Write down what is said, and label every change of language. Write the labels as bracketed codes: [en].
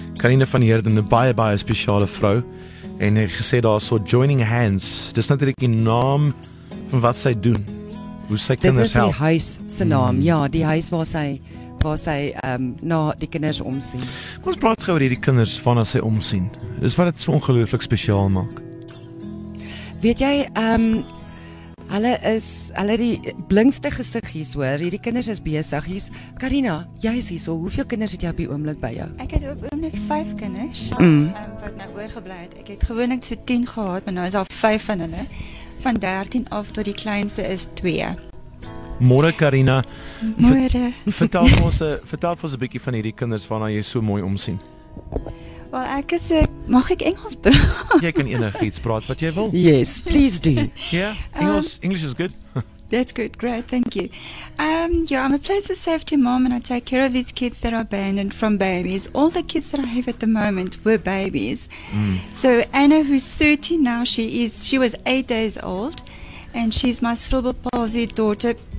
[af] Karina van Heerden, een baie, baie speciale vrou. En hy gesê daar so, Joining Hands, dis natuurlijk die naam van wat sy doen. Hoe sy kinders help. Dit is die huis se naam, ja, die huis waar sy na die kinders omsien. Kom ons praat gauw oor die kinders van as sy omsien. Dis wat het so ongelooflik speciaal maak. Weet jy, hulle die blinkste gesigjes hoor, hierdie kinders is besig. Hier is, Karina, jy is hier so, hoeveel kinders het jy op die oomblik by jou? Ek het op oomblik 5 kinders, wat nou oorgeblei het. Ek het gewoonlik so 10 gehad, maar nou is al 5 van hulle. Van 13 af tot die kleinste is 2. Môre Karina. Môre. Vertel vir ons 'n bietjie van hierdie kinders waarna jy so mooi omsien. Wel, ek is mag ek Engels praat? Jy kan enigiets praat wat jy wil. [en] Yes, please do. Yeah. English is good. That's good. Great. Thank you. Yeah, I'm a place safety mom and I take care of these kids that are abandoned from babies. All the kids that I have at the moment were babies. Mm. So Anna, who's 30 now, she was 8 days old and she's my cerebral palsy daughter.